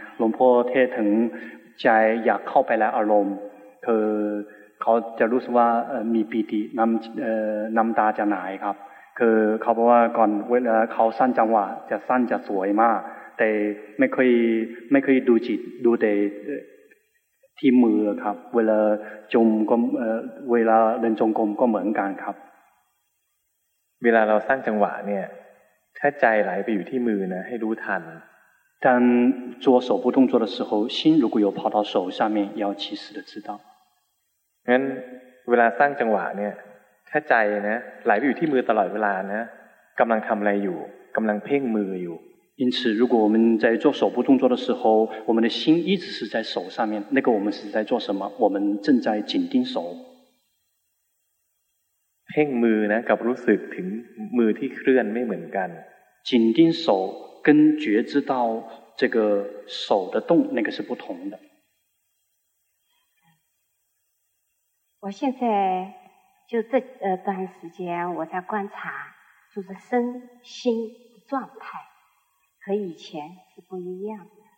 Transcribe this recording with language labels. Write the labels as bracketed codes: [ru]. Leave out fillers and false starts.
[th] งพ่อเทศถึงใจอยากเข้าไปแล้วอารมณ์คือเขาจะรู้สึกว่ามีปีติน้ำตาจะหนายครับคือเขาบอกว่าก่อนเวลาเขาสั้นจังหวะจะสั้นจะสวยมากแต่ไม่เคยดูจิตดูแต่ที่มือครับเวลาจมก็เวลาเดินจงกรมก็เหมือนกันครับ เวลาเราสร้างจังหวะเนี่ยถ้าใจไหลไปอยู่ที่มือนะให้รู้ทัน [zh] 当做手部动作的时候心如果有跑到手上面要及时的知道 [th] งั้นเวลาสร้างจังหวะเนี่ยถ้าใจนะไหลไปอยู่ที่มือตลอดเวลานะกำลังทำอะไรอยู่กำลังเพ่งมืออยู่ [zh] 因此如果我们在做手部动作的时候我们的心一直是在手上面那个我们是在做什么我们正在紧盯手 [th] เพ่งมือนะกับรู้สึกถึงมือที่เคลื่อนไม่เหมือนกัน [zh] 紧盯手跟觉知到这个手的动那个是不同的我现在就这段时间我在观察，就是身心状态和以前是不一样的。